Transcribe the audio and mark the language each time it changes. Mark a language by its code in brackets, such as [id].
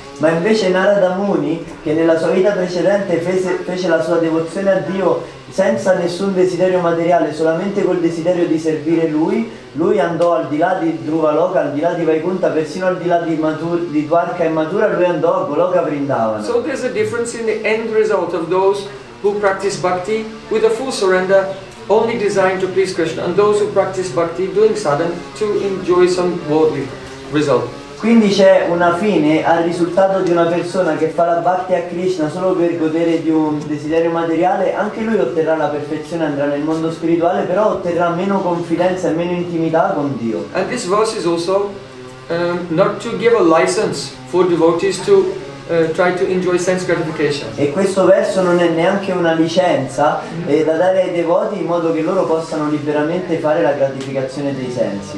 [it] Ma invece Narada Muni, che nella sua vita precedente fece la sua devozione a Dio senza nessun desiderio materiale, solamente col desiderio di servire lui andò al di là di Dhruva Loka, al di là di Vaikuntha, persino al di là di Dwarka e Mathura, lui andò a Goloka Vrindavan. [en] So there's a difference in the end result of those who practice bhakti with a full surrender only designed to please Krishna, and those who practice bhakti doing sadhana to enjoy some worldly result. [it] Quindi c'è una fine al risultato di una persona che fa la bhakti a Krishna solo per godere di un desiderio materiale, anche lui otterrà la perfezione, andrà nel mondo spirituale, però otterrà meno confidenza e meno intimità con Dio. [en] And this verse is also not to give a license for devotees to try to enjoy sense gratification. [it] E questo verso non è neanche una licenza da dare ai devoti in modo che loro possano liberamente fare la gratificazione dei sensi.